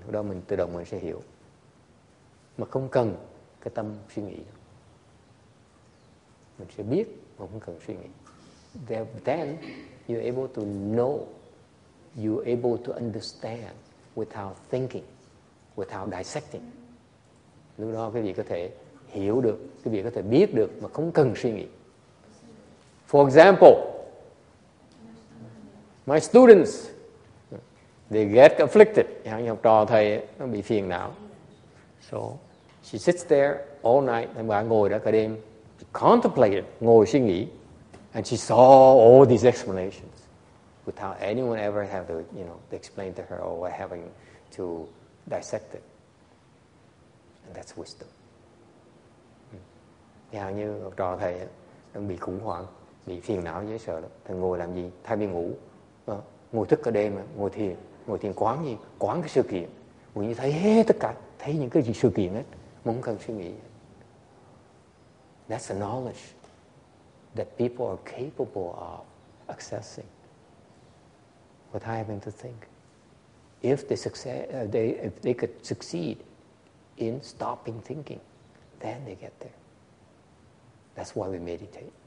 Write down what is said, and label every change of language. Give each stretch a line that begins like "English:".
Vietnamese: Lúc đó mình tự động mình sẽ hiểu. Mà không cần cái tâm suy nghĩ. Mình sẽ biết mà không cần suy nghĩ.
English: Then you're able to know, you're able to understand without thinking, without dissecting.
Vietnamese: Lúc đó quý vị có thể hiểu được, quý vị có thể biết được mà không cần suy nghĩ.
English: For example, my students, they get afflicted.
Vietnamese: Những học trò thầy nó bị phiền não.
English: So she sits there all night, and
Vietnamese: bà ngồi đó cả đêm,
English: she contemplated,
Vietnamese: ngồi suy nghĩ,
English: and she saw all these explanations without anyone ever having to, you know, explain to her or having to dissect it. And that's wisdom.
Vietnamese: Yeah, như học trò thầy đang bị khủng hoảng, bị phiền não dễ sợ lắm. Thầy ngồi làm gì? Thay vì ngủ, ngồi thức cả đêm, ngồi thiền quán gì, quán cái sự kiện, ngồi như thấy hết tất cả, thấy những cái gì sự kiện hết. Không cần suy nghĩ.
English: That's the knowledge that people are capable of accessing without having to think. If they could succeed in stopping thinking, then they get there. That's why we meditate.